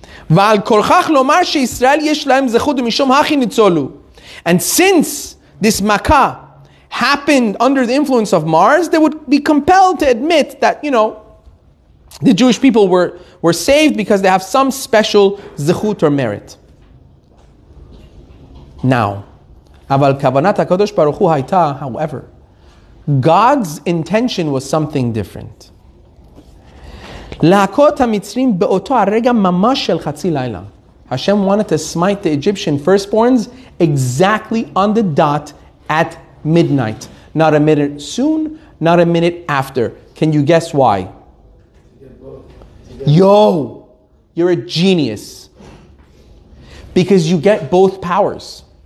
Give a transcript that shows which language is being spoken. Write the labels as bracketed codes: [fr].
[he] ועל כורכך לומר שישראל יש להם זכות ומשום הכי ניצולו. [en] And since this Makkah happened under the influence of Mars, they would be compelled to admit that, you know, the Jewish people were saved because they have some special zechut or merit. Now, [he] אבל כוונת הקדוש ברוך הוא הייתה, [en] however, God's intention was something different. [he] להכות המצרים באותו הרגע ממש של חצי לילה. [en] Hashem wanted to smite the Egyptian firstborns exactly on the dot at midnight. Not a minute soon, not a minute after. Can you guess why? Yo, you're a genius. Because you get both powers.